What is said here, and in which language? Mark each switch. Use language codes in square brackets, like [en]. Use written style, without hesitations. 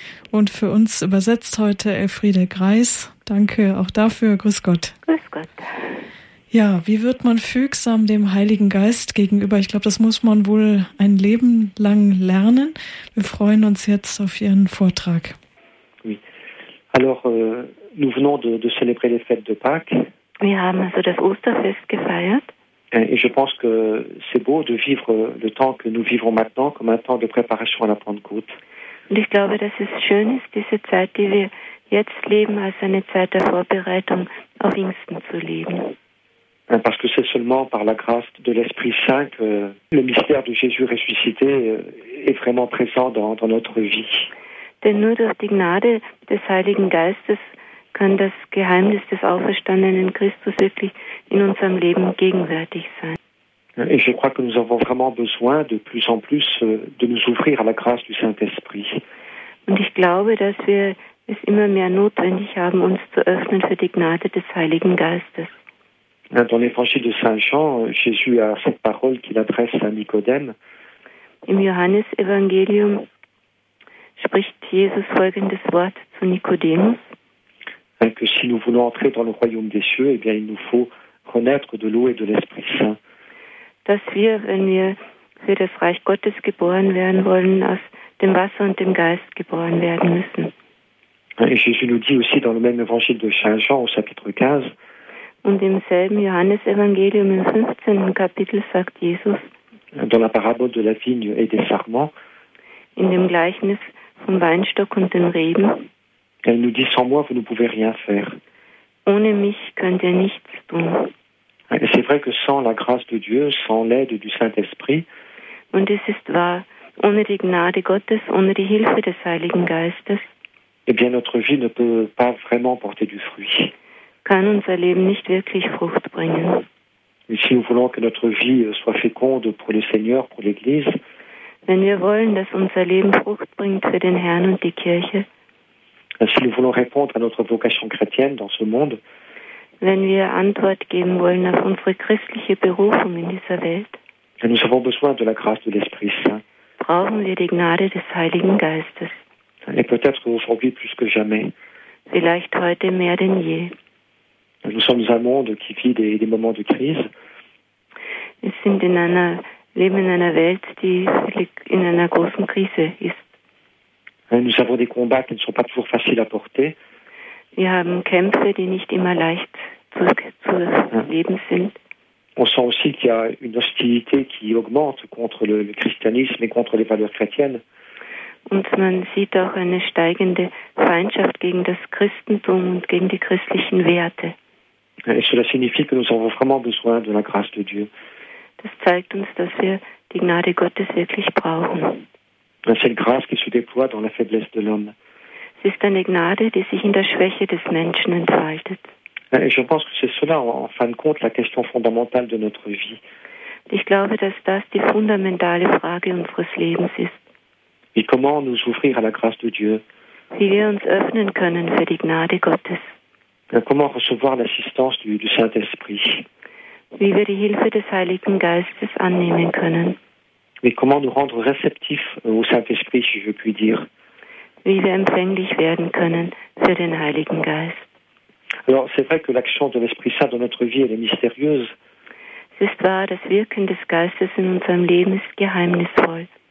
[de] Und für uns übersetzt heute Elfriede Greis. Danke auch dafür. Grüß Gott. Grüß Gott. Ja, wie wird man fügsam dem Heiligen Geist gegenüber? Ich glaube, das muss man wohl ein Leben lang lernen. Wir freuen uns jetzt auf Ihren Vortrag. [fr] Oui. Alors, nous venons de célébrer les fêtes de Pâques. [de] Wir haben also das Osterfest gefeiert. [fr] Et je pense que c'est beau de vivre le temps que nous vivons maintenant comme un temps de préparation à la Pentecôte. [de] Und ich glaube, dass es schön ist, diese Zeit, die wir jetzt leben, als eine Zeit der Vorbereitung auf Pfingsten zu leben. [fr] Parce que c'est seulement par la grâce de l'Esprit Saint que le mystère de Jésus ressuscité est vraiment présent dans notre vie. [de] Denn nur durch die Gnade des Heiligen Geistes kann das Geheimnis des auferstandenen Christus wirklich in unserem Leben gegenwärtig sein. [fr] Et je crois que nous avons vraiment besoin de plus en plus de nous ouvrir à la grâce du Saint-Esprit. [de] Und ich glaube, dass wir es immer mehr notwendig haben, uns zu öffnen für die Gnade des Heiligen Geistes. [fr] Dans l'évangile de Saint Jean, Jésus a cette parole qu'il adresse à Nicodème. [de] Im Johannesevangelium spricht Jesus folgendes Wort zu Nikodemus. [fr] Que si nous voulons entrer dans le royaume des cieux, eh bien il nous faut renaître de l'eau et de l'Esprit Saint. [de] Dass wir, wenn wir für das Reich Gottes geboren werden wollen, aus dem Wasser und dem Geist geboren werden müssen. [fr] Et Jésus nous dit aussi dans le même évangile de Saint Jean au chapitre 15. [de] Und im selben Johannesevangelium im 15. Kapitel sagt Jesus, [fr] dans la parabole de la vigne et des sarments, [de] in dem Gleichnis vom Weinstock und den Reben, [fr] il nous dit, sans moi, vous ne pouvez rien faire. [de] Ohne mich könnt ihr nichts tun. [fr] Et c'est vrai que sans la grâce de Dieu, sans l'aide du Saint-Esprit, [de] und es ist wahr, ohne die Gnade Gottes, ohne die Hilfe des Heiligen Geistes, [fr] eh bien notre vie ne peut pas vraiment porter du fruit. [de] Kann unser Leben nicht wirklich Frucht bringen. [fr] Et si nous voulons que notre vie soit féconde pour le Seigneur, pour l'Église, [de] wenn wir wollen, dass unser Leben Frucht bringt für den Herrn und die Kirche, [fr] si nous voulons répondre à notre vocation chrétienne dans ce monde, [de] wenn wir Antwort geben wollen auf unsere christliche Berufung in dieser Welt, [fr] nous avons besoin de la grâce de l'Esprit Saint. [de] Brauchen wir die Gnade des Heiligen Geistes. [fr] Et peut-être aujourd'hui plus que jamais. [de] Vielleicht heute mehr denn je. [fr] Nous sommes un monde qui vit des moments de crise. [de] Wir sind in einer, leben in einer Welt, die in einer großen Krise ist. [fr] Nous avons des combats qui ne sont pas toujours faciles à porter. [de] Wir haben Kämpfe, die nicht immer leicht zu leben sind. [fr] On sent aussi qu'il y a une hostilité qui augmente contre le christianisme et contre les valeurs chrétiennes. [de] Und man sieht auch eine steigende Feindschaft gegen das Christentum und gegen die christlichen Werte. [fr] Et cela signifie que nous avons vraiment besoin de la grâce de Dieu. [de] Das zeigt uns, dass wir die Gnade Gottes wirklich brauchen. [fr] Cette grâce qui se déploie dans la faiblesse de l'homme. [de] Es ist eine Gnade, die sich in der Schwäche des Menschen entfaltet. [fr] Et je pense que c'est cela, en fin de compte, la question fondamentale de notre vie. [de] Ich glaube, dass das die fundamentale Frage unseres Lebens ist. [fr] Et comment nous ouvrir à la grâce de Dieu? [de] Wie wir uns öffnen können für die Gnade Gottes. [fr] Comment recevoir l'assistance du Saint-Esprit? [de] Wie wir die Hilfe des Heiligen Geistes annehmen können. [fr] Mais comment nous rendre réceptifs au Saint-Esprit, si je puis dire? [de] Wie wir empfänglich werden können für den Heiligen Geist. [fr] Alors, c'est vrai que l'action de l'Esprit-Saint dans notre vie, elle est mystérieuse. C'est vrai, [de] das Wirken des Geistes in unserem Leben ist geheimnisvoll.